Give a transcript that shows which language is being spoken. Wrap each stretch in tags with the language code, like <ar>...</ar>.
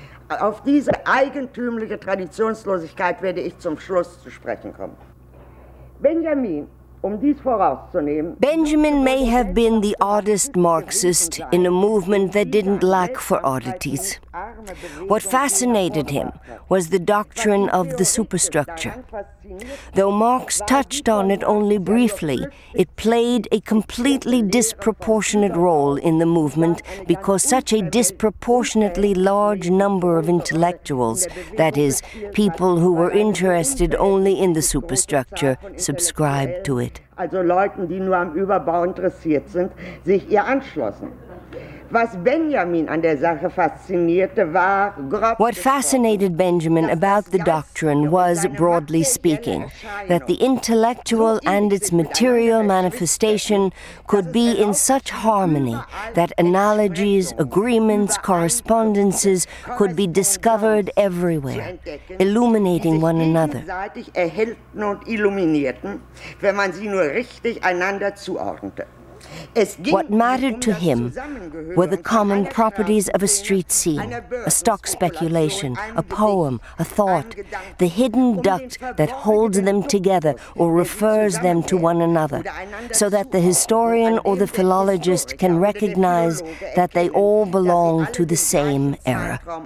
<de>Auf diese eigentümliche Traditionslosigkeit werde ich zum Schluss zu sprechen kommen. Benjamin, um dies vorauszunehmen,</de> <en>Benjamin may have been the oddest Marxist in a movement that didn't lack for oddities. What fascinated him was the doctrine of the superstructure. Though Marx touched on it only briefly, it played a completely disproportionate role in the movement because such a disproportionately large number of intellectuals, that is, people who were interested only in the superstructure, subscribed to it.</en> <de>Also Leuten, die nur am Überbau interessiert sind, sich ihr anschlossen. Was Benjamin an der Sache faszinierte, war grob.</de> <en>What fascinated Benjamin about the doctrine was, broadly speaking, that the intellectual and its material manifestation could be in such harmony that analogies, agreements, correspondences could be discovered everywhere, illuminating one another.</en> <de>Erhellten und illuminierten, wenn man sie nur richtig einander zuordnete.</de> <en>What mattered to him were the common properties of a street scene, a stock speculation, a poem, a thought, the hidden duct that holds them together or refers them to one another, so that the historian or the philologist can recognize that they all belong to the same era.</en>